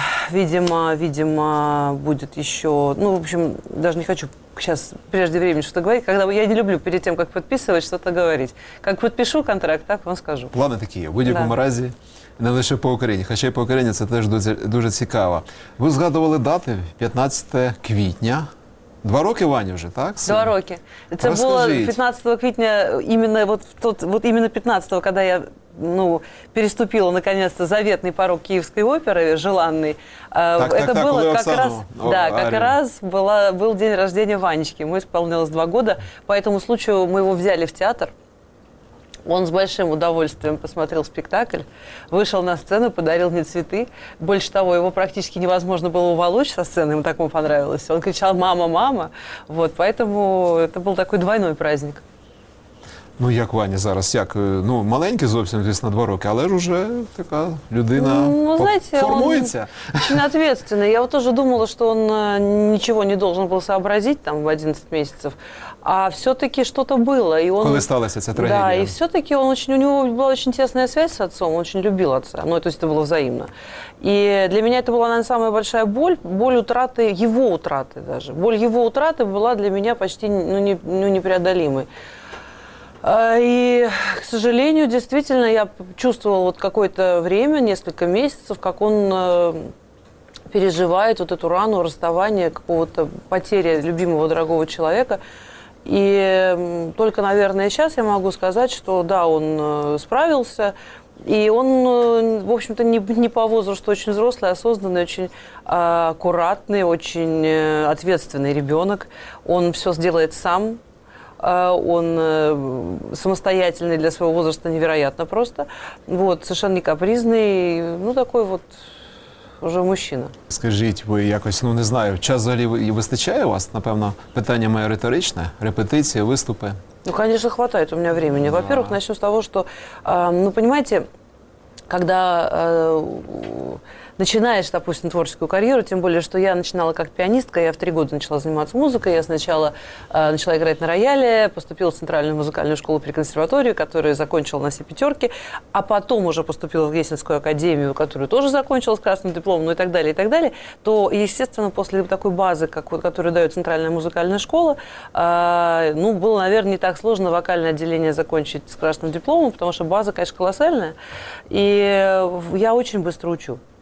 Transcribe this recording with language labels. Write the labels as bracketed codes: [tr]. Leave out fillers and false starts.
[ru] Видимо, будет еще... Ну, в общем, даже не хочу сейчас преждевременно что-то говорить. Когда я не люблю перед тем, как подписывать, что-то говорить. Как подпишу контракт, так вам скажу. [uk] Плани такі. В будь-якому разі, не лише по Україні. Хоча й по Україні це теж дуже цікаво. Ви згадували дати 15 квітня. 2 роки Ваня вже, так? Сам? 2 роки. Це було 15 квітня, іменно, от іменно 15-го, коли я... [ru] Ну, переступила наконец-то заветный порог Киевской оперы, желанный. Так, это так, было так, как раз, о, да, как Арина. Раз был день рождения Ванечки. Ему исполнилось 2 года. По этому случаю мы его взяли в театр. Он с большим удовольствием посмотрел спектакль, вышел на сцену, подарил мне цветы. Больше того, его практически невозможно было уволочь со сцены, ему так ему понравилось. Он кричал: «Мама, мама!». Вот, поэтому это был такой двойной праздник. [uk] Ну, як Ваня зараз, як? Ну, маленький зовсім, звісно, 2 роки, але ж уже така людина, [ru] ну, знаете, [uk] формується. Ну, знаєте, він відповідальний. Я теж думала, що він нічого не повинен був зрозуміти там в 11 місяців, а все-таки щось було. І коли сталася ця трагедія. Так, да, і все-таки у нього була дуже тісна зв'язка з отцом, він дуже любив отця, ну, тобто це було взаємно. І для мене це була, мабуть, найбільша боль втрати, його втрати навіть. Боль його втрати була для мене майже, ну, непреодолимою. [ru] И, к сожалению, действительно, я чувствовала вот какое-то время, несколько месяцев, как он переживает вот эту рану расставания, какого-то потери любимого дорогого человека. И только, наверное, сейчас я могу сказать, что да, он справился. И он, в общем-то, не по возрасту очень взрослый, осознанный, очень аккуратный, очень ответственный ребенок. Он все сделает сам. Он самостоятельный для своего возраста невероятно просто. Вот, совершенно не капризный. Ну, такой вот уже мужчина. [uk] Скажіть, ви якось, ну не знаю, час взагалі вистачає у вас? Напевно, питання моє риторичне, репетиції, виступи. [ru] Ну, конечно, хватает у меня времени. Во-первых, начну с того, что, ну, понимаете, когда начинаешь, допустим, творческую карьеру, тем более, что я начинала как пианистка, я в 3 года начала заниматься музыкой, я сначала начала играть на рояле, поступила в Центральную музыкальную школу при консерватории, которую закончила на все 5-ки, а потом уже поступила в Гессенскую академию, которую тоже закончила с красным дипломом, ну и так далее, и так далее, то, естественно, после такой базы, которую дает Центральная музыкальная школа, ну, было, наверное, не так сложно вокальное отделение закончить с красным дипломом, потому что база, конечно, колоссальная, и я очень быстро учу.